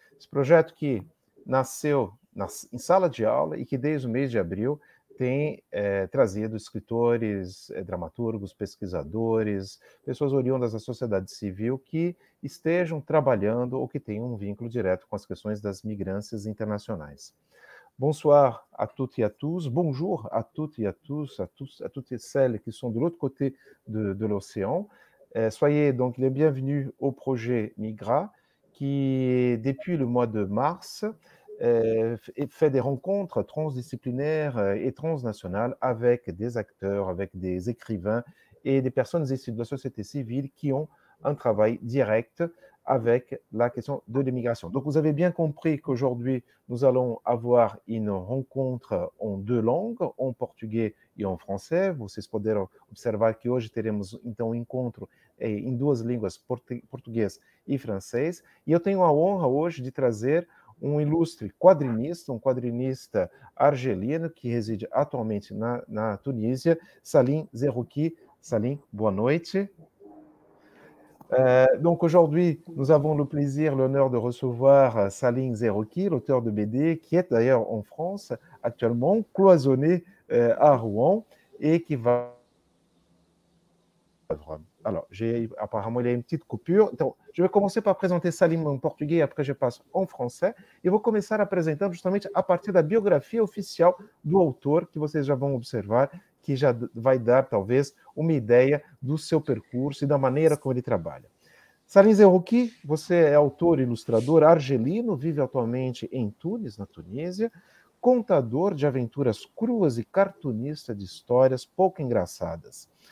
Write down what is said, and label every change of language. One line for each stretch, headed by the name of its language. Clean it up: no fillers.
Portuguese: Esse projeto que nasceu em sala de aula e que desde o mês de abril tem, trazido escritores, dramaturgos, pesquisadores, pessoas oriundas da sociedade civil que estejam trabalhando ou que tenham um vínculo direto com as questões das migrâncias internacionais.
French: Bonsoir à toutes et à tous, bonjour à toutes et à tous, à toutes et celles qui sont de l'autre côté de l'océan. Soyez donc les bienvenus au projet Migra, qui, depuis le mois de mars, fait des rencontres transdisciplinaires et transnationales avec des acteurs, avec des écrivains et des personnes issues de la société civile qui ont un travail direct avec la question de l'immigration. Donc, vous avez bien compris qu'aujourd'hui, nous allons avoir une rencontre en deux langues, en portugais et en français. Vous pouvez observer que
Portuguese: hoje teremos então, um encontro em duas línguas, português e francês. E eu tenho a honra hoje de trazer um ilustre quadrinista, um quadrinista argelino que reside atualmente na Tunísia, Salim Zerouki. Salim, boa noite.
French: Donc aujourd'hui, nous avons le plaisir, l'honneur de recevoir Salim Zerouki, l'auteur de BD, qui est d'ailleurs en France actuellement, cloisonné à Rouen, et qui va. Alors, apparemment, il y a une petite coupure. Então, je vais commencer par présenter Salim en portugais, après je passe en français, et vous commencez à présenter justement à partir da biographie officielle
Portuguese: do autor, que vocês já vão observar. Que já vai dar, talvez, uma ideia do seu percurso e da maneira como ele trabalha. Salim Zerouki, você é autor, ilustrador, argelino, vive atualmente em Tunis, na Tunísia, contador de aventuras cruas e cartunista de histórias pouco engraçadas.